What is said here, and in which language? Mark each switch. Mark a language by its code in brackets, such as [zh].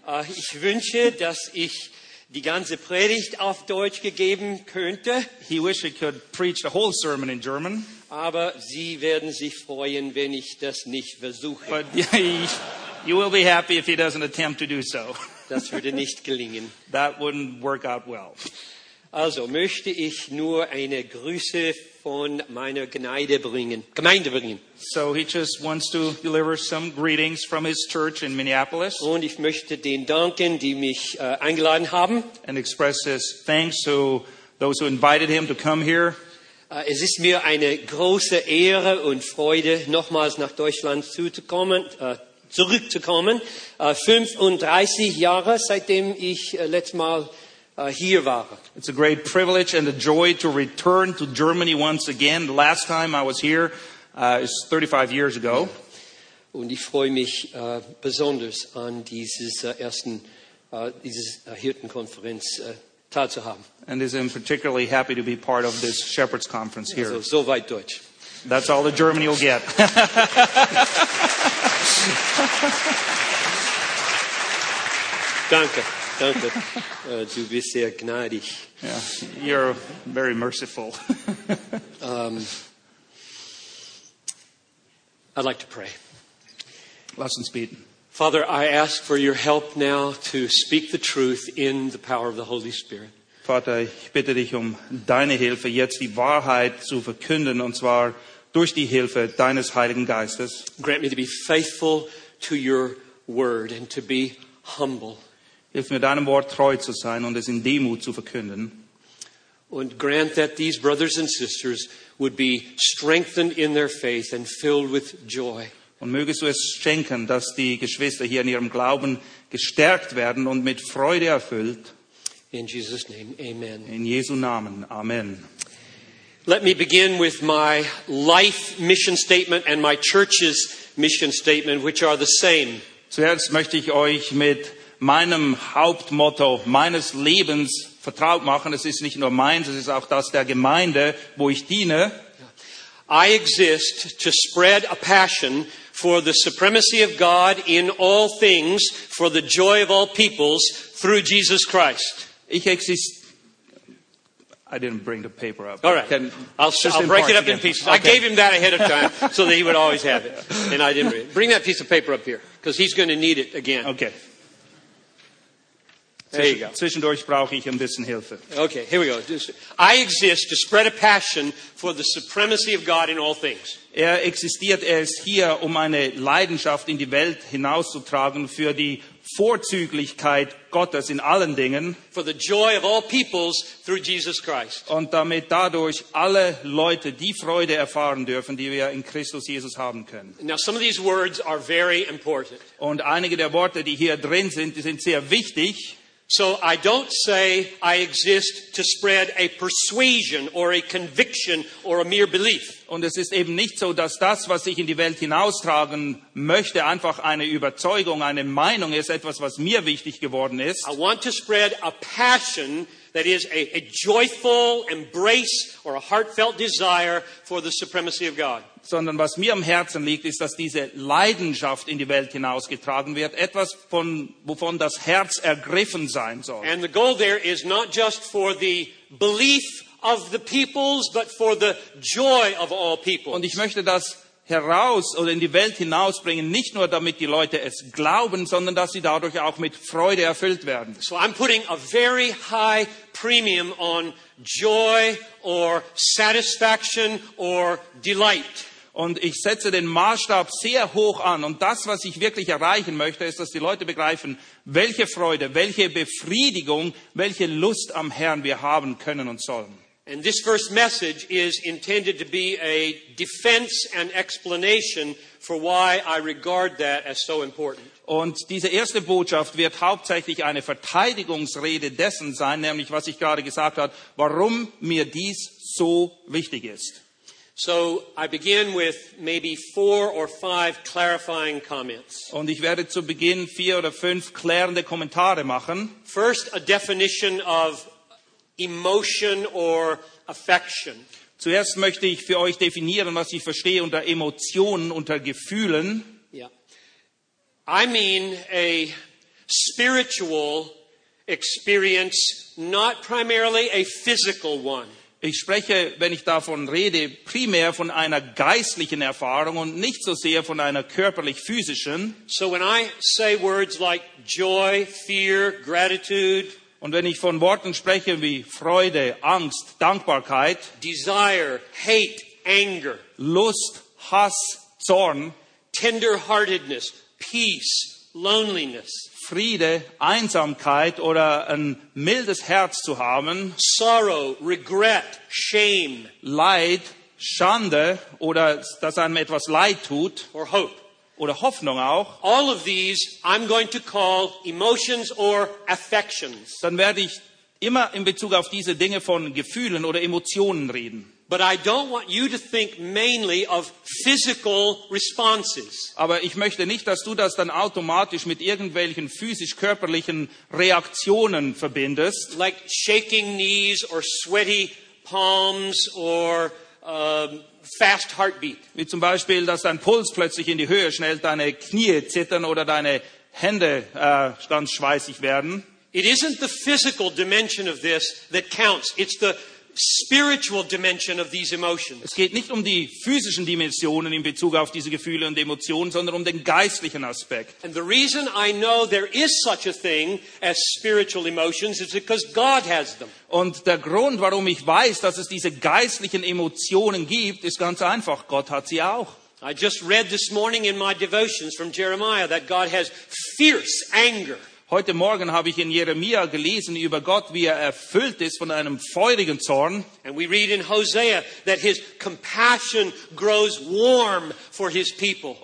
[de] Ich wünsche, dass ich die ganze Predigt auf Deutsch gegeben könnte. [en] He wished he could preach the whole sermon in German. [de] Aber Sie werden sich freuen, wenn ich das nicht versuche. [en] But you will be happy if he doesn't attempt to do so. [de] Das würde nicht gelingen. [en] That wouldn't work out well. [de] Also möchte ich nur eine Grüße von meiner Gemeinde bringen. [en] So he just wants to deliver some greetings from his church in Minneapolis. [de] Und ich möchte den danken, die mich eingeladen haben. [en] And express his thanks to those who invited him to come here. [de] Es ist mir eine große Ehre und Freude, nochmals nach Deutschland zurückzukommen. 35 Jahre, seitdem ich letztes Mal hier war. [en] It's a great privilege and a joy to return to Germany once again. The last time I was here is 35 years ago. [de] Und ich freue mich besonders an dieses Hirtenkonferenz teilzuhaben. [en] And I'm particularly happy to be part of this Shepherd's Conference here. [de] Also, so weit Deutsch. [en] That's all the German you'll get. [de] Danke. Danke. Du bist sehr gnädig. [en] Yeah, you're very merciful. I'd like to pray. [de] Lass uns beten. [en] Father, I ask for your help now to speak the truth in the power of the Holy Spirit. [de] Vater, ich bitte dich deine Hilfe, jetzt die Wahrheit zu verkünden, und zwar durch die Hilfe deines Heiligen Geistes. [en] Grant me to be faithful to your word and to be humble. [de] Hilf mir, deinem Wort treu zu sein und es in Demut zu verkünden. [en] Und grant that these brothers and sisters would be strengthened in their faith and filled with joy. [de] Und mögest du es schenken, dass die Geschwister hier in ihrem Glauben gestärkt werden und mit Freude erfüllt. [en] In Jesus' name, amen. [de] In Jesu Namen, amen. [en] Let me begin with my life mission statement and my church's mission statement, which are the same. [de] Zuerst möchte ich euch mit meinem Hauptmotto meines Lebens vertraut machen. Es ist nicht nur meins, es ist auch das der Gemeinde, wo ich diene. [en] I exist to spread a passion for the supremacy of God in all things, for the joy of all peoples through Jesus Christ. [de] Ich existiere. [en] I didn't bring the paper up. All right. I'll break it up again. In pieces. Okay. I gave him that ahead of time so that he would always have it. And I didn't bring that piece of paper up here because he's going to need it again. Okay. There you go. [de] Zwischendurch brauche ich ein bisschen Hilfe. [en] Okay, here we go. I exist to spread a passion for the supremacy of God in all things. [de] Er existiert erst hier, eine Leidenschaft in die Welt hinauszutragen für die Vorzüglichkeit Gottes in allen Dingen. [en] For the joy of all peoples through Jesus Christ. [de] Und damit dadurch alle Leute die Freude erfahren dürfen, die wir in Christus Jesus haben können. [en] Now some of these words are very important. [de] Und einige der Worte, die hier drin sind, die sind sehr wichtig. [en] So I don't say I exist to spread a persuasion or a conviction or a mere belief. [de] Und es ist eben nicht so, dass das, was ich in die Welt hinaustragen möchte, einfach eine Überzeugung, eine Meinung ist, etwas, was mir wichtig geworden ist. [en] I want to spread a passion that is a joyful embrace or a heartfelt desire for the supremacy of God. [de] Sondern was mir am Herzen liegt, ist, dass diese Leidenschaft in die Welt hinausgetragen wird. Etwas, wovon das Herz ergriffen sein soll. [en] And the goal there is not just for the belief of the peoples, but for the joy of all peoples. [de] Und ich möchte das heraus oder in die Welt hinausbringen, nicht nur damit die Leute es glauben, sondern dass sie dadurch auch mit Freude erfüllt werden. [en] So I'm putting a very high premium on joy or satisfaction or delight. [de] Und ich setze den Maßstab sehr hoch an. Und das, was ich wirklich erreichen möchte, ist, dass die Leute begreifen, welche Freude, welche Befriedigung, welche Lust am Herrn wir haben können und sollen. [en] And this first message is intended to be a defense and explanation for why I regard that as so important. [de] Und diese erste Botschaft wird hauptsächlich eine Verteidigungsrede dessen sein, nämlich was ich gerade gesagt habe, warum mir dies so wichtig ist. [en] So I begin with maybe 4 or 5 clarifying comments. [de] Und ich werde zu Beginn 4 oder 5 klärende Kommentare machen. [en] First, a definition of emotion or affection. [de] Zuerst möchte ich für euch definieren, was ich verstehe unter Emotionen, unter Gefühlen. [en] Yeah. I mean a spiritual experience, not primarily a physical one. [de] Ich spreche, wenn ich davon rede, primär von einer geistlichen Erfahrung und nicht so sehr von einer körperlich-physischen. [en] So when I say words like joy, fear, gratitude, [de] und wenn ich von Worten spreche wie Freude, Angst, Dankbarkeit, [en] desire, hate, anger, [de] Lust, Hass, Zorn, [en] tenderheartedness, peace, loneliness, [de] Friede, Einsamkeit oder ein mildes Herz zu haben, [en] sorrow, regret, shame, [de] Leid, Schande oder dass einem etwas leid tut, [en] or hope, [de] oder Hoffnung auch, [en] all of these I'm going to call emotions or affections. [de] Dann werde ich immer in Bezug auf diese Dinge von Gefühlen oder Emotionen reden. [en] But I don't want you to think mainly of physical responses. [de] Aber ich möchte nicht, dass du das dann automatisch mit irgendwelchen physisch-körperlichen Reaktionen verbindest. [en] Like shaking knees or sweaty palms or fast heartbeat. [de] Wie zum Beispiel, dass dein Puls plötzlich in die Höhe schnellt, deine Knie zittern oder deine Hände ganz schweißig werden. [en] It isn't the physical dimension of this that counts. It's the spiritual dimension of these emotions. [de] Es geht nicht um die physischen Dimensionen in Bezug auf diese Gefühle und Emotionen, sondern um den geistlichen Aspekt. [en] And the reason I know there is such a thing as spiritual emotions is because God has them. [de] Und der Grund, warum ich weiß, dass es diese geistlichen Emotionen gibt, ist ganz einfach. Gott hat sie auch. [en] I just read this morning in my devotions from Jeremiah that God has fierce anger. [de] Heute Morgen habe ich in Jeremia gelesen über Gott, wie er erfüllt ist von einem feurigen Zorn. [en] And we read in Hosea that his compassion grows warm for his people.